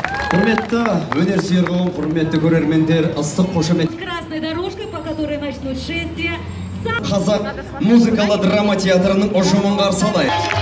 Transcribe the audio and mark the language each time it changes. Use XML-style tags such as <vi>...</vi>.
<kk>Құрметті өнер сүйер қауым, құрметті көрермендер, ыстық қошемет.</kk> <ru>Красная дорожка, по которой начнут шествие.</ru> <kk>Қазақ музыкалы драма театрының ұжымын қарсы алайық.</kk>